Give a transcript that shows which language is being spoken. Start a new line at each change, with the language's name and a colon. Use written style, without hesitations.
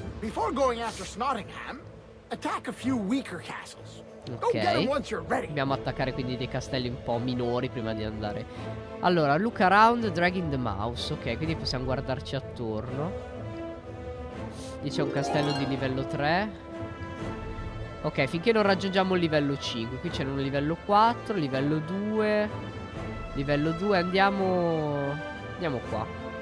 English: Before going after Snottingham, attack a few weaker castles. Ok.
Italian: Dobbiamo attaccare quindi dei castelli un po' minori prima di andare.
English: Allora, look around dragging the mouse.
Italian: Ok, quindi possiamo guardarci attorno. Lì c'è un castello di livello 3. Ok, finché non raggiungiamo il livello 5. Qui c'è un livello 4, livello 2. Livello 2, andiamo qua.